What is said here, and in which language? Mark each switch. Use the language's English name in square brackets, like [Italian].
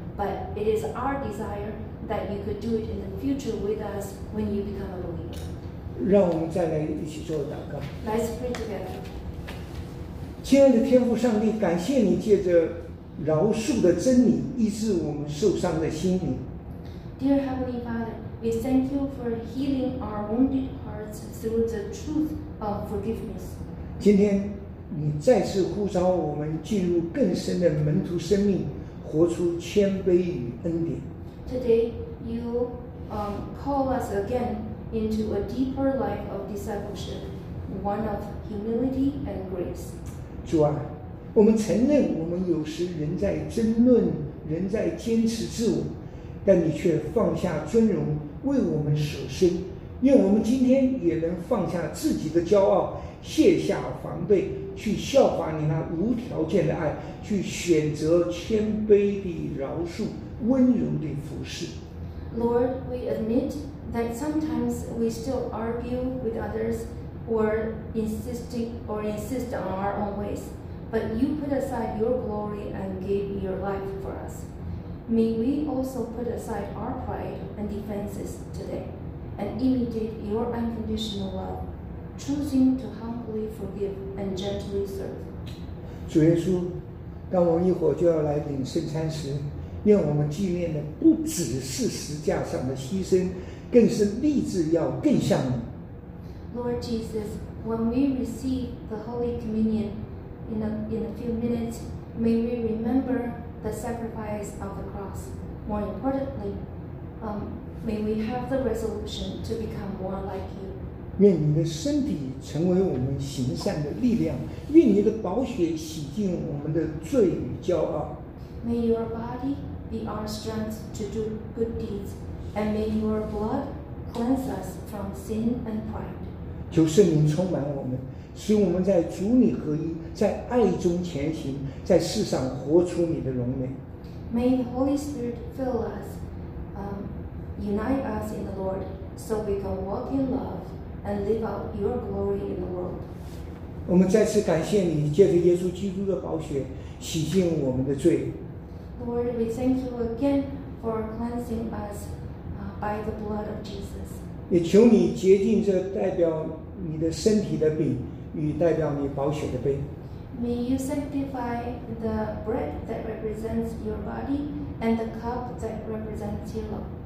[English] But it is our desire that you could do it in the future with us when you become a believer. [Chinese] 让我们再来一起做祷告。 [English] Let's pray together. [Chinese] 亲爱的天父上帝，感谢你借着饶恕的真理医治我们受伤的心灵。 [English] Dear Heavenly Father, we thank you for healing our wounded hearts through the truth of forgiveness. [Chinese] 今天你再次呼召我们进入更深的门徒生命，活出谦卑与恩典。 [English] Today you call us again. Into a deeper life of discipleship, one of humility and grace. [Chinese] 主啊，我们承认我们有时仍在争论，仍在坚持自我，但你却放下尊荣为我们舍身。愿我们今天也能放下自己的骄傲，卸下防备，去效法你那无条件的爱，去选择谦卑的饶恕，温柔的服侍。 [English] Lord, we admit.That sometimes we still argue with others or insist on our own ways, but you put aside your glory and gave your life for us. May we also put aside our pride and defenses today and imitate your unconditional love, choosing to humbly forgive and gently serve. [Chinese] 主耶稣，当我们一会儿就要来领圣餐时，愿我们纪念的不只是十架上的牺牲，更是立志要更像你。 [English] Lord Jesus, when we receive the Holy Communion in a few minutes, may we remember the sacrifice of the cross. More importantly, may we have the resolution to become more like you. [Chinese] 愿你的身体成为我们行善的力量，愿你的宝血洗净我们的罪与骄傲。 [English] May your body be our strength to do good deeds, and may your blood cleanse us from sin and pride. [Chinese] 求圣灵充满我们，使我们在主你合一，在爱中前行，在世上活出你的荣美。 [English] May the Holy Spirit fill us, unite us in the Lord, so we can walk in love and live out your glory in the world. [Chinese] 我们再次感谢你，借着耶稣基督的宝血洗净我们的罪。 [English] Lord, we thank you again for cleansing us by the blood of Jesus. [Chinese] 也求你洁净这代表你的身体的饼与代表你宝血的杯。 [English] May you sanctify the bread that represents your body and the cup that represents your blood.